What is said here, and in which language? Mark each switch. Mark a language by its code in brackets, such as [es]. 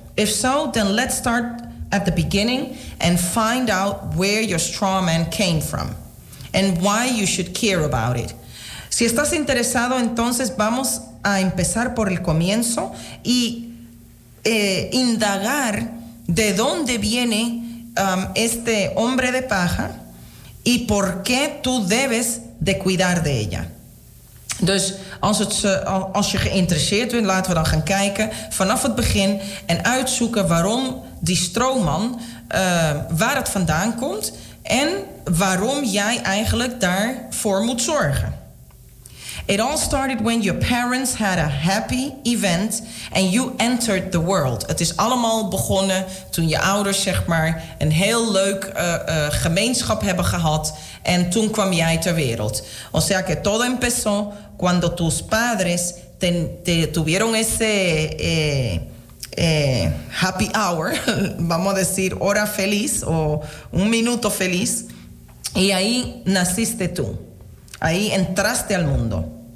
[en] If so, then let's start at the beginning and find out where your straw man came from and why you should care about it. [es] Si estás interesado, entonces vamos a empezar por el comienzo y indagar de dónde viene este hombre de paja y por qué tú debes de cuidar de ella. [nl] Dus als je geïnteresseerd bent, laten we dan gaan kijken vanaf het begin en uitzoeken waarom die stroomman, waar het vandaan komt en waarom jij eigenlijk daarvoor moet zorgen. [en] It all started when your parents had a happy event and you entered the world. [nl] Het is allemaal begonnen toen je ouders zeg maar een heel leuk gemeenschap hebben gehad en toen kwam jij ter wereld. [es] O sea que todo empezó cuando tus padres te tuvieron ese [en] happy hour, [es] vamos a decir hora feliz o un minuto feliz, y ahí naciste tú, ahí entraste al mundo.